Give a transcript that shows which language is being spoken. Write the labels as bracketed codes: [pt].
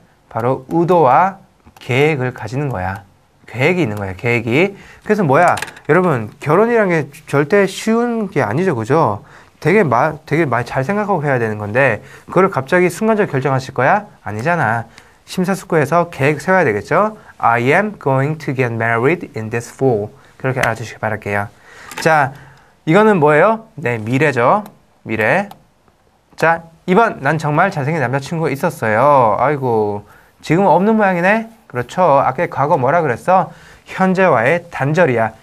[ko] 바로 의도와 계획을 가지는 거야. 계획이 있는 거야, 계획이. 그래서 뭐야? 여러분, 결혼이란 게 절대 쉬운 게 아니죠, 그죠? 되게 많이 잘 생각하고 해야 되는 건데, 그걸 갑자기 순간적으로 결정하실 거야? 아니잖아. 심사숙고해서 계획 세워야 되겠죠? [en] I am going to get married in this fall. [ko] 그렇게 알아주시기 바랄게요. 자, 이거는 뭐예요? 네, 미래죠. 미래. 자, 2번. 난 정말 잘생긴 남자친구가 있었어요. 아이고, 지금 없는 모양이네? 그렇죠. 아까 과거 뭐라 그랬어? 현재와의 단절이야.